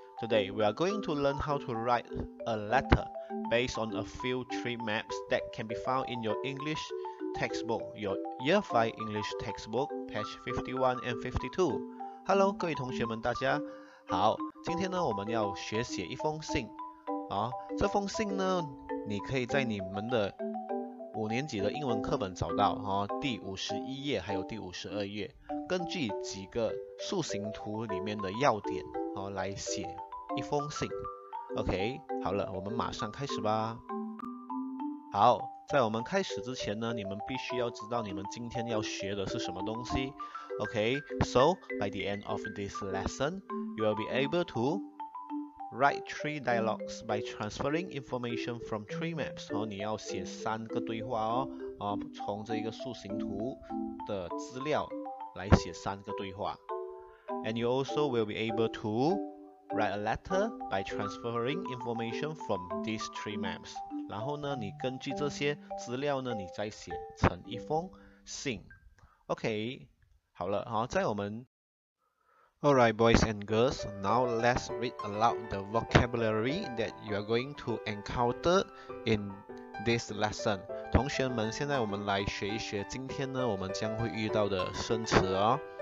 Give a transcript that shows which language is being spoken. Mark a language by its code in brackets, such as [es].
[en] Today, we are going to learn how to write a letter based on a few tree maps that can be found in your English textbook, your Year 5 English textbook, page 51 and 52. [zh] Hello, 各位同学们，大家好。今天呢，我们要学写一封信。啊，这封信呢，你可以在你们的五年级的英文课本找到哈，第51页还有第52页，根据几个树形图里面的要点哈来写一封信。 OK， 好了，我们马上开始吧。好，在我们开始之前呢，你们必须要知道你们今天要学的是什么东西。 [en] OK， so by the end of this lesson, you will be able to write three dialogues by transferring information from tree maps. [zh] 你要写三个对话哦，从这个树形图的资料来写三个对话。 [en] And you also will be able to write a letter by transferring information from these tree maps. [zh] 然后呢，你根据这些资料呢，你再写成一封信。 [en] OK， [zh] 好了，在我们 [en] Alright, boys and girls, now let's read aloud the vocabulary that you are going to encounter in this lesson. [zh] 同学们，现在我们来学一学今天呢，我们将会遇到的生词哦。